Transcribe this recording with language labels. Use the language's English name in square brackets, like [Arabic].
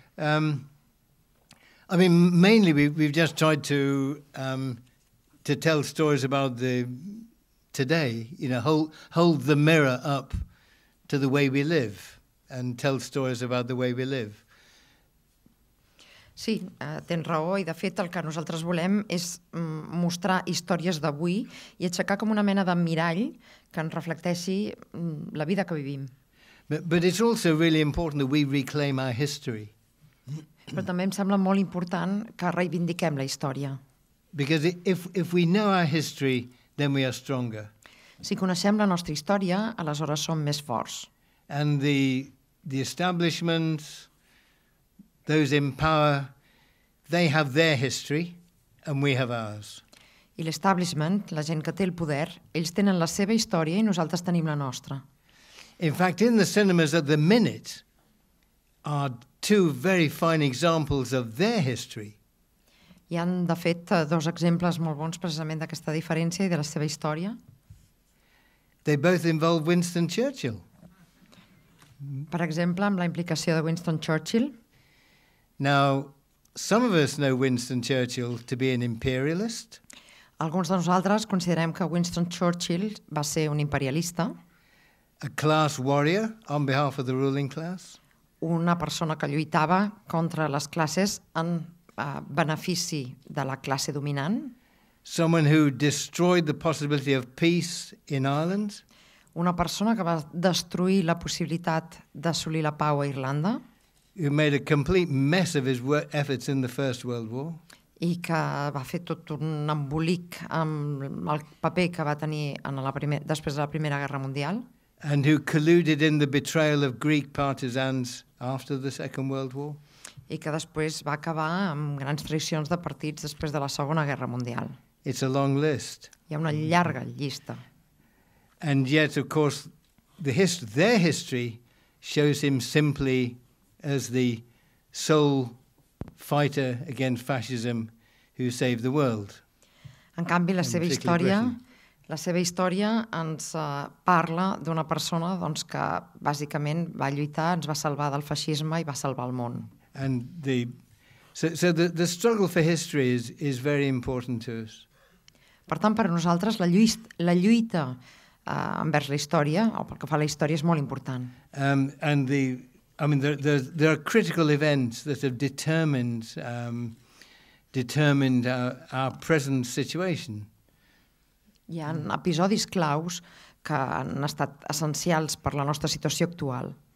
[English] Mainly we've just tried to tell stories about the today, you know, hold the mirror up to the way we live and tell stories about the way we live. [Catalan] Sí, tens raó, i de fet el que nosaltres volem és mostrar històries d'avui i aixecar com una mena de mirall que ens reflecteixi la vida que vivim. [English] But it's also really important that we reclaim our history. [Catalan] Però també em sembla molt important que reivindiquem la història. [English] Because if we know our history, then we are stronger. [Catalan] Si coneixem la nostra història, aleshores som més forts. [English] And the establishments, those in power, they have their history and we have ours. [Catalan] I l'establishment, la gent que té el poder, ells tenen la seva història i nosaltres tenim la nostra. [English] In fact, in the cinemas at the minute are two very fine examples of their history. [Catalan] Hi ha, de fet, dos exemples molt bons precisament d'aquesta diferència i de la seva història. [English] They both involve Winston Churchill. [Catalan] Per exemple, amb la implicació de Winston Churchill. [English] Now, some of us know Winston Churchill to be an imperialist. [Catalan] Alguns de nosaltres considerem que Winston Churchill va ser un imperialista. [English] A class warrior on behalf of the ruling class. [Catalan] Una persona que lluitava contra les classes en benefici de la classe dominant. [English] Someone who destroyed the possibility of peace in Ireland. [Catalan] Una persona que va destruir la possibilitat d'assolir la pau a Irlanda. [English] Who made a complete mess of his efforts in the First World War. [Catalan] I que va fer tot un embolic amb el paper que va tenir en la després de la Primera Guerra Mundial. [English] And who colluded in the betrayal of Greek partisans after the Second World War. [Catalan] I que després va acabar amb grans traïcions de partits després de la Segona Guerra Mundial. [English] It's a long list. [Catalan] Hi ha una llarga llista. [English] And yet, of course, their history shows him simply as the sole fighter against fascism who saved the world. [Catalan] En canvi, la seva història ens parla d'una persona doncs, que bàsicament va lluitar, ens va salvar del feixisme i va salvar el món. [English] And the struggle for history is very important to us. [Catalan] Per tant, per nosaltres la lluita envers la història, o pel que fa a la història, és molt important. [English] There are critical events that have determined our present situation. [Catalan] Hi ha episodis claus que han estat essencials per la nostra situació actual.